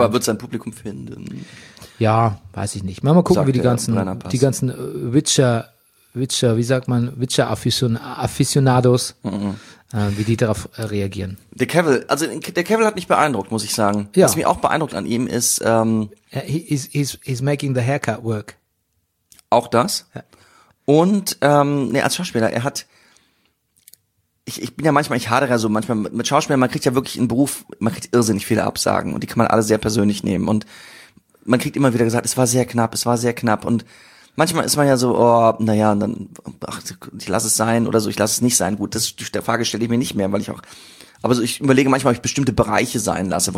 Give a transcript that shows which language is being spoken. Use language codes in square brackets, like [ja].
[de] Aber wird sein Publikum finden? Ja, weiß ich nicht. Mal gucken, sagt wie die ganzen Witcher, wie sagt man, Witcher-Aficionados, wie die darauf reagieren. Der Cavill, also der Cavill hat mich beeindruckt, muss ich sagen. Ja. Was mich auch beeindruckt an ihm ist, [en] He's making the haircut work. [de] Auch das. Ja. Und als Schauspieler, er hat, ich bin ja manchmal, ich hadere ja so manchmal mit Schauspielern, man kriegt ja wirklich einen Beruf, man kriegt irrsinnig viele Absagen und die kann man alle sehr persönlich nehmen und man kriegt immer wieder gesagt, es war sehr knapp und manchmal ist man ja so, oh, naja, und dann, ach, ich lasse es sein oder so, ich lasse es nicht sein. Gut, das, die Frage stelle ich mir nicht mehr, weil ich auch, aber so, ich überlege manchmal, ob ich bestimmte Bereiche sein lasse.